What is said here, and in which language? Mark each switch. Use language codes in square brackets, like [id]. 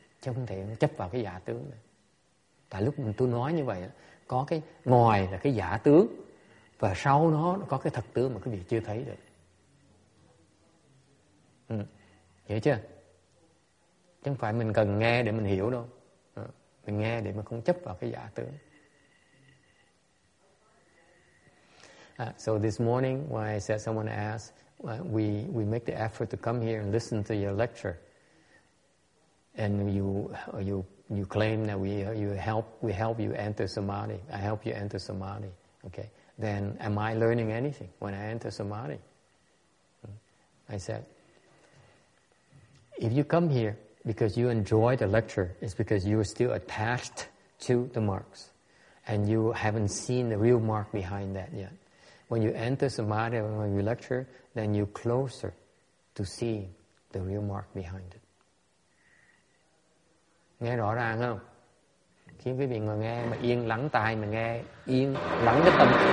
[vi] Chứ không thể chấp vào cái giả tướng nữa. Tại lúc mình tôi nói như vậy đó, có cái ngoài là cái giả tướng và sau nó có cái thật tướng mà quý vị chưa thấy được. Hiểu chưa? Chứ không phải mình cần nghe để mình hiểu đâu. Mình nghe để mà không chấp vào cái giả tướng. [en] So this morning, when I said someone asked, we make the effort to come here and listen to your lecture. And you claim that we help you enter samadhi. I help you enter samadhi. Okay. Then am I learning anything when I enter samadhi? I said, if you come here because you enjoy the lecture, it's because you are still attached to the marks. And you haven't seen the real mark behind that yet. When you enter samadhi, when you lecture, then you're closer to seeing the real mark behind it. [vi] Nghe rõ ràng không? Khi quý vị mà nghe, mà yên lắng tai, mà nghe, yên lắng cái tâm.